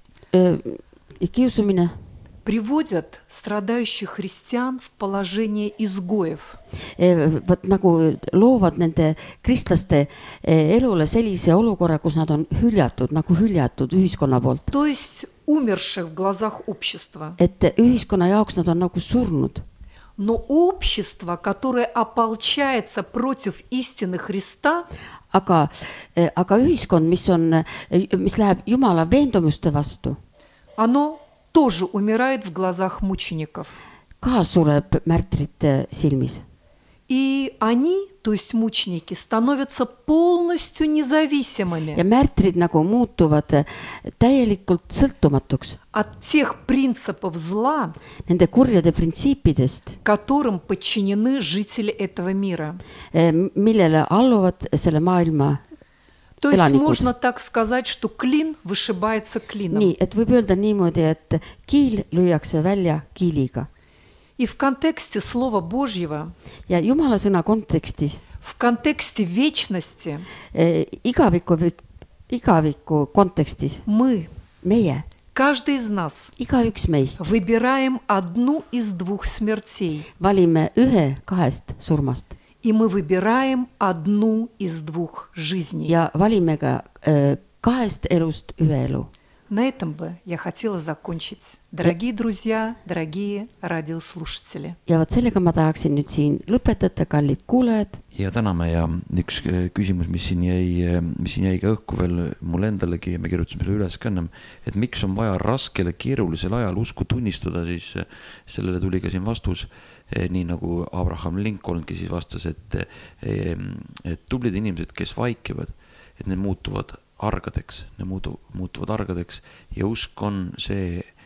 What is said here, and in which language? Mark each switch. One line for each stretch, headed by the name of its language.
Russian: Приводят страдающих христиан в положение изгоев.
Estonian: Вот, nagu loovad nende kristlaste elule sellise olukorra, kus nad on hüljatud, nagu hüljatud ühiskonna poolt.
Russian: То есть умерших в глазах общества.
Estonian: Et ühiskonna jaoks nad on nagu surnud.
Russian: Но общество, которое ополчается против истины Христа,
Estonian: aga ühiskond, mis läheb Jumala veendumuste vastu,
Russian: оно тоже умирает в глазах мучеников.
Estonian: Ka sureb märtrite silmis.
Russian: И они, то есть мученики, становятся полностью независимыми.
Estonian: Ja märtrid nagu muutuvad täielikult sõltumatuks.
Russian: От тех принципов зла,
Estonian: nende kurjade printsiipidest,
Russian: которым подчинены жители этого мира.
Estonian: Millele alluvad selle maailma
Russian: То есть
Estonian: elanikud.
Russian: Можно так сказать, что клин вышибается клином.
Estonian: Nii, et võib öelda niimoodi, et kiil lüüakse välja kiiliga.
Russian: И в контексте Слова Божьего,
Estonian: ja Jumala sõna kontekstis,
Russian: в контексте вечности,
Estonian: igaviku kontekstis,
Russian: мы,
Estonian: meie,
Russian: каждый из нас,
Estonian: iga üks meist,
Russian: выбираем одну из двух смертей.
Estonian: Valime ühe kahest surmast.
Russian: И мы выбираем одну из двух жизней.
Estonian: Ja valime ka kahest elust ühe elu.
Russian: На этом бы я хотела закончить. Дорогие друзья, дорогие радиослушатели.
Estonian: Ja вот sellega ma tahaksin nüüd siin lõpetada, kallid kuulajad. Ja täname ja üks küsimus, mis siin jäi ka õhku veel mul endalegi ja me kirjutasime selle üles kõnnem, et miks on vaja raskele keerulisel ajal usku tunnistada, siis sellele tuli ka siin vastus, nii nagu Abraham Lincolnki siis vastas, et tublid inimesed, kes vaikivad, et need muutuvad argadeks, need muutuvad argadeks ja usk on see,